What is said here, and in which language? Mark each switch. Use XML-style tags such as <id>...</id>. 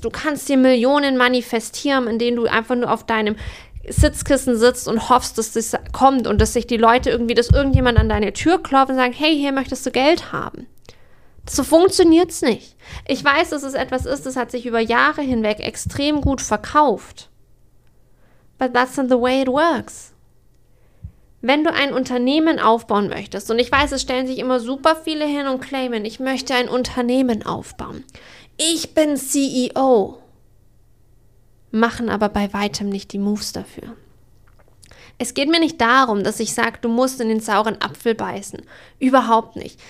<de>Du kannst dir Millionen manifestieren, indem du einfach nur auf deinem Sitzkissen sitzt und hoffst, dass das kommt und dass sich die Leute irgendwie, dass irgendjemand an deine Tür klopft und sagt, hey, hier möchtest du Geld haben. So funktioniert es nicht. Ich weiß, dass es etwas ist, das hat sich über Jahre hinweg extrem gut verkauft.</de> <en>But that's not the way it works.</en> <de>Wenn du ein Unternehmen aufbauen möchtest, und ich weiß, es stellen sich immer super viele hin und claimen, ich möchte ein Unternehmen aufbauen. Ich bin CEO. Machen aber bei weitem nicht die Moves dafür. Es geht mir nicht darum, dass ich sage, du musst in den sauren Apfel beißen. Überhaupt nicht.</de>